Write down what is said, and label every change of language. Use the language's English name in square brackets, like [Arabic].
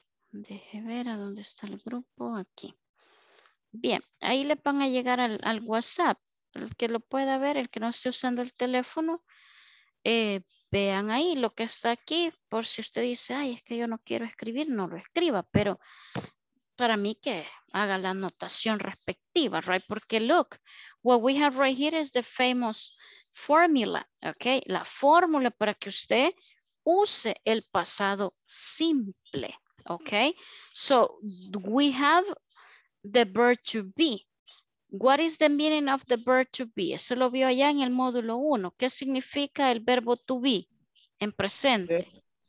[Spanish] Deje ver a dónde está el grupo. Aquí. Bien, ahí le van a llegar al WhatsApp. El que lo pueda ver, el que no esté usando el teléfono, vean ahí lo que está aquí. Por si usted dice, ay, es que yo no quiero escribir, no lo escriba. Pero para mí que haga la anotación respectiva, [English] right? [Spanish] Porque [English] look, what we have right here is the famous formula, okay? [Spanish] La fórmula para que usted use el pasado simple, okay? [English] So we have the verb to be. What is the meaning of the verb to be? [Spanish] Eso lo vio allá en el módulo 1. ¿Qué significa el verbo to be en presente?